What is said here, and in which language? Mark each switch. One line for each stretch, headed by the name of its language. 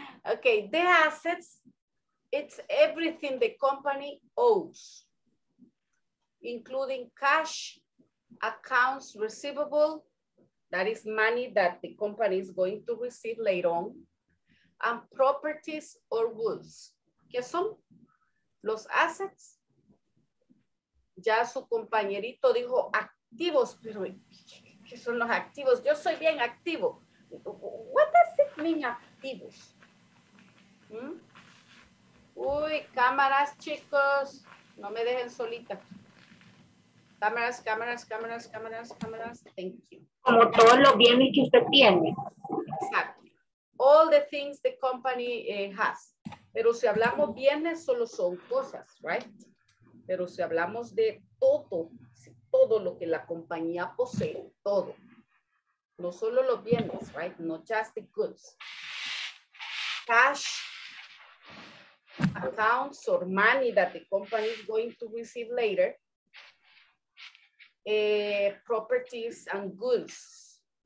English: Okay, the assets, it's everything the company owes, including cash, accounts receivable, that is money that the company is going to receive later on, and properties or goods.
Spanish: ¿Qué son los assets? Ya su compañerito dijo activos, pero ¿qué son los activos? Yo soy bien activo.
English: What does it mean,
Spanish: activos? ¿Mm? Uy, cámaras, chicos, no me dejen solita. Cámaras, cámaras, cámaras, cámaras, cámaras.
English: Thank you.
Spanish: Como todos los bienes que usted tiene.
English: Exactly. All the things the company has.
Spanish: Pero si hablamos bienes, solo son cosas, right? Pero si hablamos de todo, todo lo que la compañía posee, todo. No solo los bienes,
English: right? No just the goods. Cash, accounts, or money that the company is going to receive later. Properties and goods.